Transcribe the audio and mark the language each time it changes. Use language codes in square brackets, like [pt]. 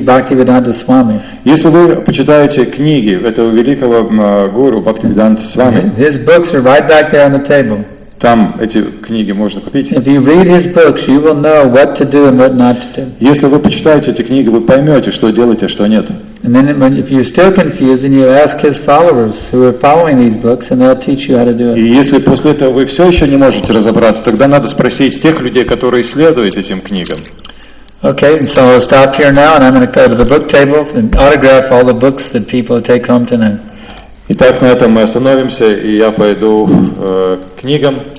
[en] Bhaktivedanta Swami. [ru] Если вы почитаете книги этого великого гуру Бхактивиданта Свами. [en] His books are right back there on the table. [ru] Там эти книги можно купить. [en] If you read his books, you will know what to do and what not to do. [ru] Если вы почитаете эти книги, вы поймете, что делать, а что нет. [en] And then, if you're still confused, then you ask his followers who are following these books, and they'll teach you how to do it. [ru] И если после этого вы все еще не можете разобраться, тогда надо спросить тех людей, которые следуют этим книгам. [en] Okay, so I'll stop here now, and I'm going to go to the book table and autograph all the books that people take home tonight. [ru] Итак, на этом мы остановимся, и я пойду к книгам.